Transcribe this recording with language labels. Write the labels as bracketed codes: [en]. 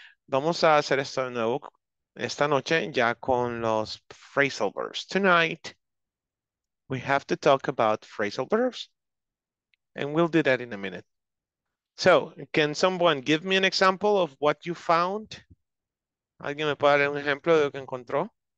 [es] Vamos a hacer esto de nuevo esta noche ya con los phrasal verbs. [en] Tonight, we have to talk about phrasal verbs. And we'll do that in a minute. So, can someone give me an example of what you found? [es] ¿Alguien me puede dar un ejemplo de lo que encontró?